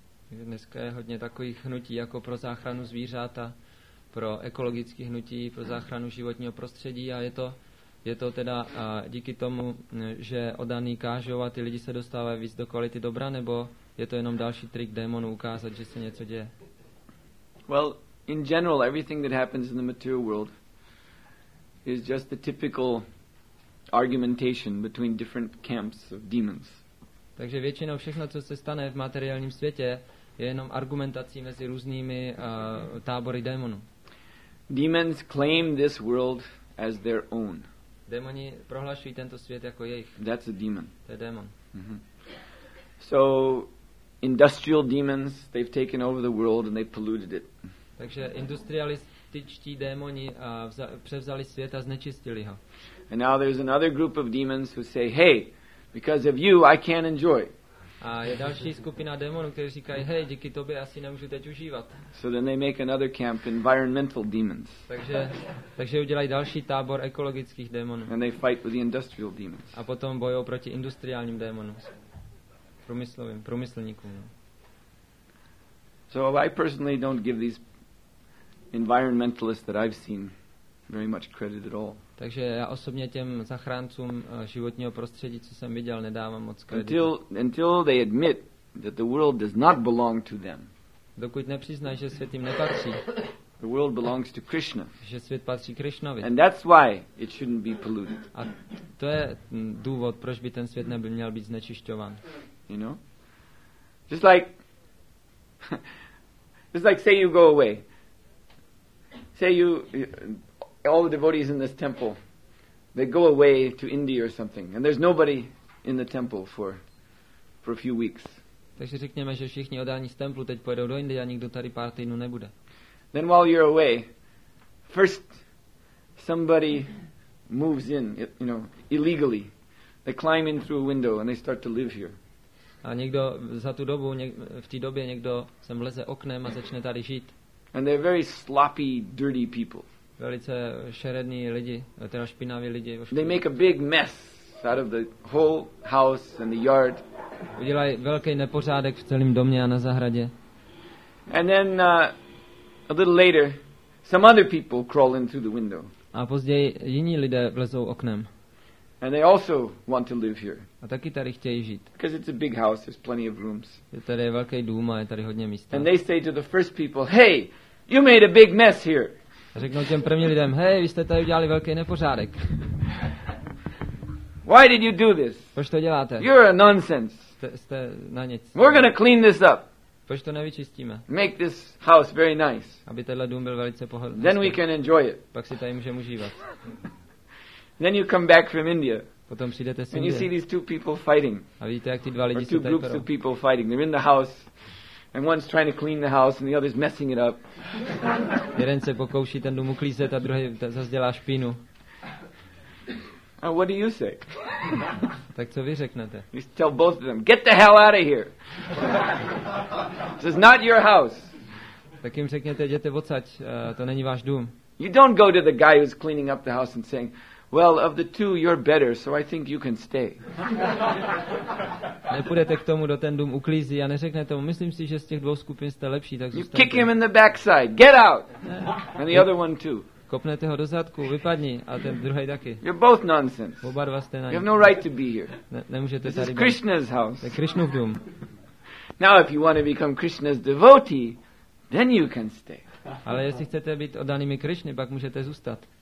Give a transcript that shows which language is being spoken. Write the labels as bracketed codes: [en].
[cs] dneska je hodně takových hnutí jako pro záchranu zvířata, pro ekologické hnutí, pro záchranu životního prostředí a je to teda díky tomu, že oddaní kážou a ty lidi se dostávají víc do kvality dobra, nebo je to jenom další trik démonů ukázat, že se něco děje? [en] Well, in general, everything that happens in the material world is just the typical argumentation between different camps of demons. [cs] Takže většinou všechno, co se stane v materiálním světě, je jenom argumentací mezi různými tábory démonů. [en] Demons claim this world as their own. [cs] Démoni prohlašují tento svět jako jejich. [en] That's a demon. [cs] To je démon. [en] So industrial demons, they've taken over the world and they polluted it. [cs] Takže industrialističtí démoni převzali svět a znečistili ho. [en] And now there's another group of demons who say, hey, because of you, I can't enjoy. [cs] A je další skupina démonů, kteří říkají, hey, díky tobě asi nemůžu teď užívat. [en] So then they make another camp, environmental demons. [cs] Takže udělají další tábor ekologických démonů. [en] And they fight with the industrial demons. [cs] A potom bojují proti industriálním démonům. Průmyslovým, průmyslníkům. [en] So I personally don't give these environmentalists that I've seen very much credit at all. [cs] Takže já osobně těm zachráncům životního prostředí, co jsem viděl, nedávám moc kredit. [en] Until they admit that the world does not belong to them. [cs] Dokud nepřiznají, že svět jim nepatří. [en] The world belongs to Krishna. [cs] Že svět patří Krišnovi. [en] And that's why it shouldn't be polluted. [cs] A to je důvod, proč by ten svět neby měl být znečišťován. [en] You know? Just like say you go away. Say you all the devotees in this temple, they go away to India or something, and there's nobody in the temple for a few weeks. [cs] Takže řekněme, že všichni oddáni z templu teď pojedou do Indie a nikdo tady pár týdnů nebude. [en] Then while you're away, first somebody moves in, you know, illegally. They climb in through a window and they start to live here. [cs] A někdo za tu dobu, v té době někdo sem leze oknem a začne tady žít. [en] And they're very sloppy, dirty people. [cs] Velice šerední lidi, teda špinaví lidi. [en] They make a big mess out of the whole house and the yard. [cs] Udělají velký nepořádek v celém domě a na zahradě. [en] And then a little later some other people crawl in through the window. [cs] A později jiní lidé vlezou oknem. [en] And they also want to live here. [cs] A taky tady chtějí žít. [en] Because it's a big house, there's plenty of rooms. [cs] Je tady velký dům a je tady hodně místa. [en] And they say to the first people, "Hey, you made a big mess here." [cs] A řeknou těm prvním lidem, hej, vy jste tady udělali velký nepořádek. [en] Why did you do this? [cs] Proč to děláte? [en] You're a nonsense. [cs] jste na nic. [en] We're going to clean this up. [cs] Proč to nevyčistíme? [en] Make this house very nice. [cs] Aby tenhle dům byl velice pohodlný. [en] Then we can enjoy it. [cs] Pak si tady můžeme užívat. [en] Then you come back from India. [cs] Potom přijdete z Indie. [en] And you see these two people fighting. [cs] A vidíte, jak ty dva lidi se tady perou. [en] Or two groups of people fighting. They're in the house. And one's trying to clean the house and the other's messing it up. [cs] Jeden se pokouší ten dům uklízet a druhý zas dělá špínu. [en] And what do you say? [cs] Tak co vy řeknete? [en] You tell both of them, get the hell out of here. This is not your house. [cs] Tak jim řekněte, jděte odsaď, to není váš dům. [en] You don't go to the guy who's cleaning up the house and saying, well, of the two, you're better, so I think you can stay. [cs] Nepůjdete k tomu, do ten dům uklízí a neřeknete mu, myslím si, že z těch dvou skupin jste lepší, tak zůstaňte. [en] You kick him in the backside, get out! And the other one too. [cs] Kopnete ho do zadku, vypadni, a ten druhý taky. [en] You're both nonsense. [cs] Oba dva jste na [en] ní. You have no right to be here. [cs] Nemůžete tady být. [en] This is Krishna's house. [cs] To je Krishnův dům. [en] Now if you want to become Krishna's devotee, then you can stay. [cs] Ale jestli chcete být oddanými Krishny, pak můžete zůstat.